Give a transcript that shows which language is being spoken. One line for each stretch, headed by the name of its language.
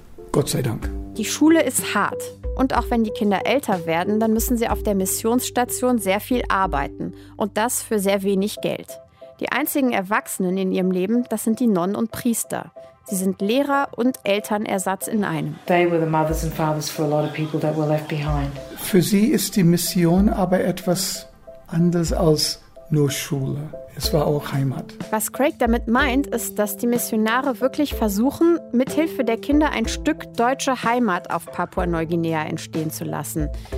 German: Gott sei Dank. Die Schule ist hart. Und auch wenn die Kinder älter werden, dann müssen sie auf der Missionsstation sehr viel arbeiten. Und das für sehr wenig Geld. Die einzigen Erwachsenen in ihrem Leben, das sind die Nonnen und Priester. Sie sind Lehrer und Elternersatz in einem.
English: They were the mothers and fathers for a lot of people that were left behind.
German: Für sie ist die Mission aber etwas anders als nur Schule. Es war auch Heimat. Was Craig damit meint, ist, dass die Missionare wirklich versuchen, mithilfe der Kinder ein Stück deutsche Heimat auf Papua-Neuguinea entstehen zu lassen.